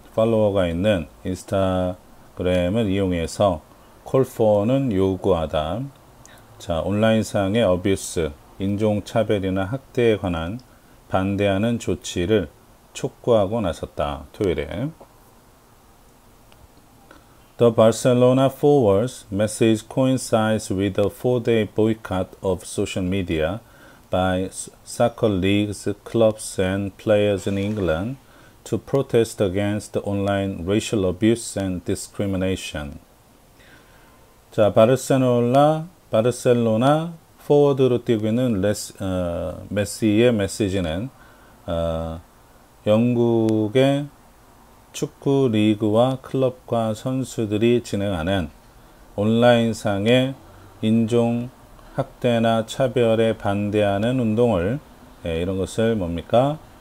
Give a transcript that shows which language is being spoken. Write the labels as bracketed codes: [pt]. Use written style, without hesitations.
[ko] 팔로워가 있는 인스타그램을 이용해서 call for는 요구하다. 자, 온라인상의 어뷰스, 인종차별이나 학대에 관한 반대하는 조치를 촉구하고 나섰다. 토요일에. [en] The Barcelona followers' message coincides with a four-day boycott of social media by soccer leagues, clubs, and players in England to protest against online racial abuse and discrimination. [ko] 자, 바르셀로나 포워드로 뛰고 있는 메시의 메시지는 영국의 축구 리그와 클럽과 선수들이 진행하는 온라인상의 인종 학대나 차별에 반대하는 운동을 이런 것을 뭡니까?